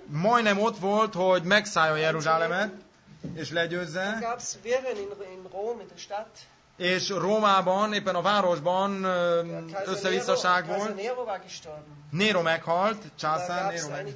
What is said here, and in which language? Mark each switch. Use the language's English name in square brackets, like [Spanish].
[Hungarian] Majdnem ott volt, hogy megszállja Jeruzsálemet és legyőzze. [German] Dann gab's Wirren in Rom, in der Stadt. [Hungarian] És Rómában, éppen a városban összevisszaság volt. Nero meghalt, császár Nero.